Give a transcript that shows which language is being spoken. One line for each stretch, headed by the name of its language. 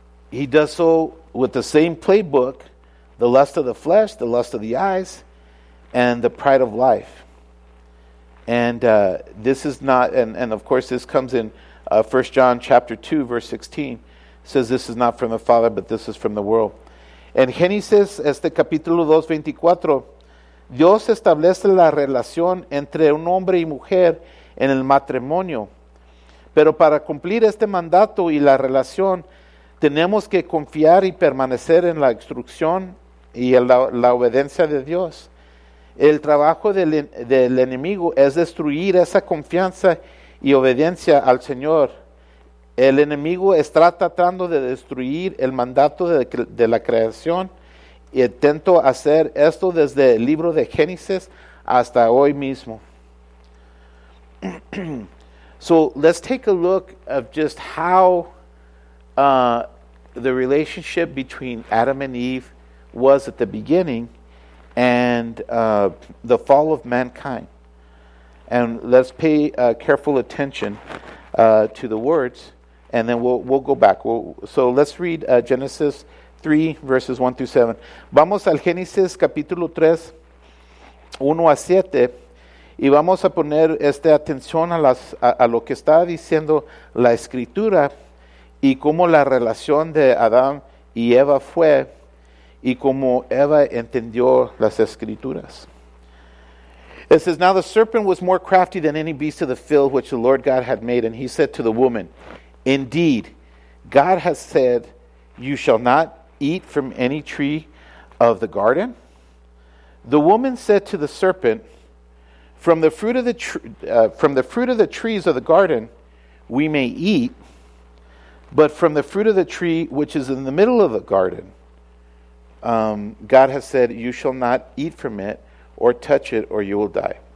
English: He does so with the same playbook, the lust of the flesh, the lust of the eyes, and the pride of life. And this is not, and of course this comes in 1 John chapter 2, verse 16, says this is not from the Father, but this is from the world.
Spanish: En Génesis, capítulo 2, 24, Dios establece la relación entre un hombre y mujer en el matrimonio. Pero para cumplir este mandato y la relación, tenemos que confiar y permanecer en la instrucción y la obediencia de Dios. El trabajo del enemigo es destruir esa confianza y obediencia al Señor. El enemigo está tratando de destruir el mandato de la creación y intento hacer esto desde el libro de Génesis hasta hoy mismo.
English: So let's take a look of just how the relationship between Adam and Eve was at the beginning and the fall of mankind. And let's pay careful attention to the words, and then we'll go back. So let's read Genesis 3, verses 1 through 7.
Spanish: Vamos al Génesis capítulo 3, 1 a 7, y vamos a poner atención a lo que está diciendo la Escritura y cómo la relación de Adán y Eva fue y cómo Eva entendió las Escrituras.
English: It says, "Now the serpent was more crafty than any beast of the field which the Lord God had made, and he said to the woman, 'Indeed, God has said, you shall not eat from any tree of the garden.' The woman said to the serpent, 'From the fruit of the from the fruit of the trees of the garden we may eat, but from the fruit of the tree which is in the middle of the garden, God has said, you shall not eat from it or touch it, or you will die.'"